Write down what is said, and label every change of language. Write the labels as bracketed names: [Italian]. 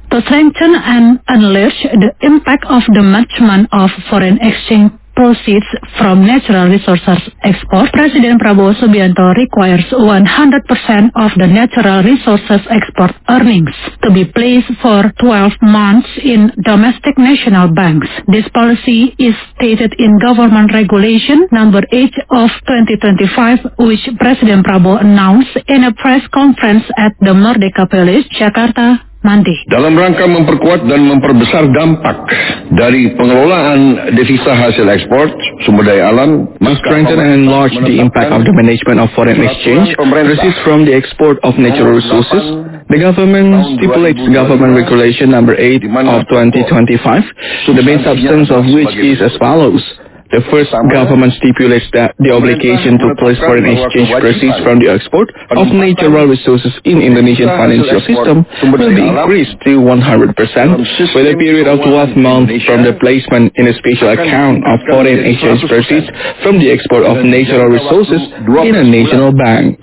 [English] To strengthen and unleash the impact of the management of foreign exchange proceeds from natural resources export, President Prabowo Subianto requires 100% of the natural resources export earnings to be placed for 12 months in domestic national banks. This policy is stated in Government Regulation No. 8 of 2025, which President Prabowo announced in a press conference at the Merdeka Palace, Jakarta, Monday. [Indonesian] Dalam rangka memperkuat dan memperbesar dampak dari pengelolaan devisa hasil ekspor sumber daya alam, [English] to strengthen and enlarge the impact of the management of foreign exchange proceeds from the export of natural resources, the government stipulates Government Regulation No. 8 of 2025, the main substance of which is as follows. The first, government stipulates that the obligation to place foreign exchange proceeds from the export of natural resources in Indonesian financial system will be increased to 100% with a period of 12 months from the placement in a special account of foreign exchange proceeds from the export of natural resources in a national bank.